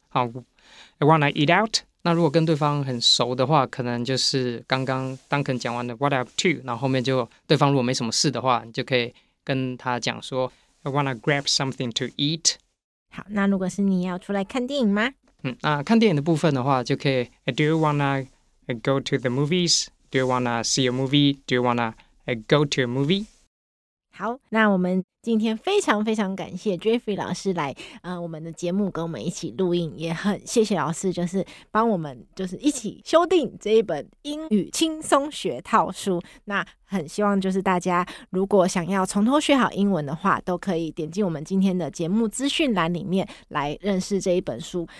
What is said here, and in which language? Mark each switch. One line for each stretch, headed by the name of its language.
Chinese: 好 ，
English: I wanna eat out。
Chinese: 那如果跟对方很熟的话，可能就是刚刚 Duncan 讲完的
English: what up to，
Chinese: 然后后面就对方如果没什么事的话，你就可以跟他讲说。
English: I wanna grab something to eat.
Chinese: 好，那如果是你要出来看电影吗？那看电影的部分的话，就可以
English: Do you wanna go to the movies? Do you wanna see a movie? Do you wanna go to a movie?
Chinese: 好，那我们今天非常非常感谢 Jeffrey 老师来我们的节目跟我们一起录音，也很谢谢老师就是帮我们就是一起修订这一本英语轻松学套书。那很希望就是大家如果想要从头学好英文的话，都可以点进我们今天的节目资讯栏里面来认识这一本书。